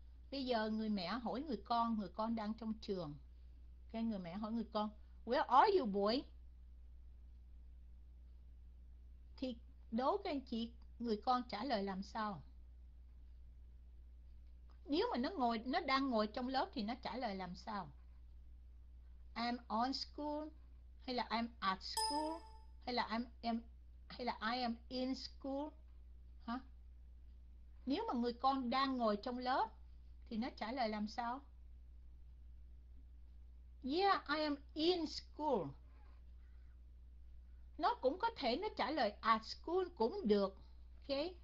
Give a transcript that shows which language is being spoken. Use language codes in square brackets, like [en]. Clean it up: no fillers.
[vi] Bây giờ người mẹ hỏi người con đang trong trường. Cái người mẹ hỏi người con, [en] "Where are you, boy?" [vi] Thì đố các anh chị, người con trả lời làm sao? Nếu mà nó đang ngồi trong lớp thì nó trả lời làm sao? [en] I'm on school [vi] hay là [en] I'm at school hay là I am in school? [vi] Hả? Nếu mà người con đang ngồi trong lớp thì nó trả lời làm sao? [en] Yeah, I am in school. [vi] Nó cũng có thể nó trả lời at school cũng được. Ok.